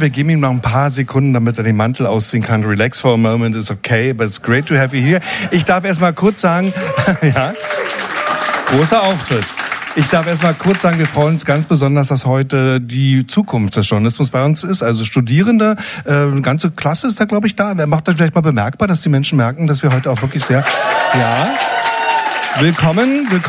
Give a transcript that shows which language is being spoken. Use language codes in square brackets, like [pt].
[de] Wir geben ihm noch ein paar Sekunden, damit er den Mantel ausziehen kann. [en] Relax for a moment, it's okay, but it's great to have you here. [de] Ich darf erst mal kurz sagen, ja, großer Auftritt. Ich darf erst mal kurz sagen, wir freuen uns ganz besonders, dass heute die Zukunft des Journalismus bei uns ist. Also Studierende, eine ganze Klasse ist da, glaube ich, da. Der macht euch vielleicht mal bemerkbar, dass die Menschen merken, dass wir heute auch wirklich sehr, ja. Willkommen.